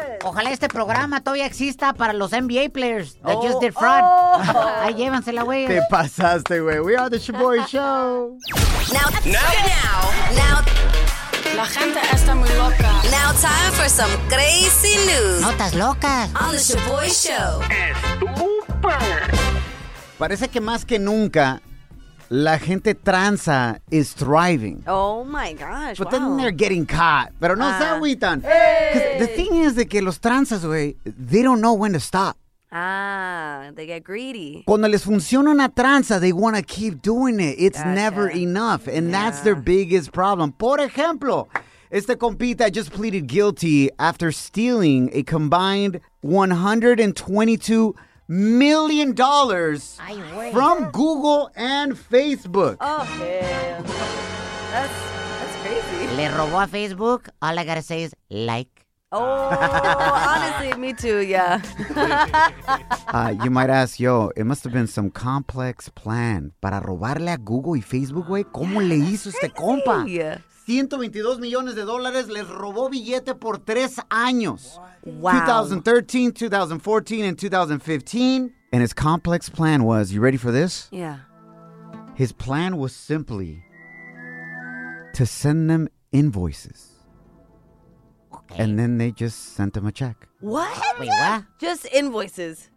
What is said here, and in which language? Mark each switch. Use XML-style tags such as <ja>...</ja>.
<es>Ojalá este programa todavía exista para los</es> <en>NBA players that just did fraud.</en> <es>Ahí llévansela, güey. Te pasaste, güey.</es> <en>We are the Shoboy Show. Now.</en> <es>La gente está muy loca.</es> <en>Now time for some crazy news.</en> <es>Notas locas.</es> <en>On the Shoboy Show.</en> <es>Estúpido. Parece que más que nunca, la gente transa</es> <en>is thriving. Oh my gosh, but then they're getting caught.</en> <es>Pero no se agüitan.</es> <en>Hey. The thing is</en> <es>de que los transas, güey,</es> <en>they don't know when to stop. They get greedy.</en> <es>Cuando les funciona una tranza,</es> <en>they want to keep doing it. It's never enough. And that's their biggest problem.</en> <es>Por ejemplo, este compita</es> <en>just pleaded guilty after stealing a combined $122 million from Google and Facebook. That's crazy.</en> <es>Le robó a Facebook.</es> <en>All I gotta say is like. Honestly, me too, yeah. You might ask, yo, it must have been some complex plan</en> <es>para robarle a Google y Facebook, güey. ¿Cómo le hizo este compa?</es> <en>$122 million</en> <es>les robó billete por 3 años.</es> <en>Wow. 2013, 2014, and 2015. And his complex plan was, you ready for this? Yeah. His plan was simply to send them invoices. Okay. And then they just sent them a check. What? Wait, what? Just invoices.</en>